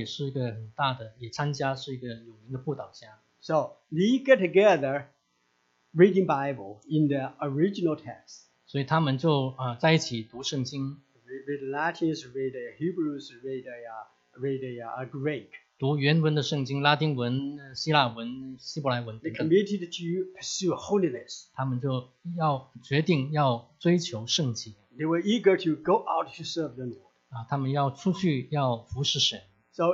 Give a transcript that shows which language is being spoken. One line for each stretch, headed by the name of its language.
Chinese: 后来怀德菲他也是一个很大的，也参加，是一个有名的布道家。
English: So they get together, reading Bible in the original text.
Chinese: 所以他们就在一起读圣经。
English: Read Latin, read Hebrews, read Greek.
Chinese: 读原文的圣经，拉丁文、希腊文、希伯来文等等。
English: They committed to pursue holiness.
Chinese: 他们就决定要追求圣洁。
English: They were eager to go out to serve the Lord.
Chinese: 他们要出去要服侍神。
English: So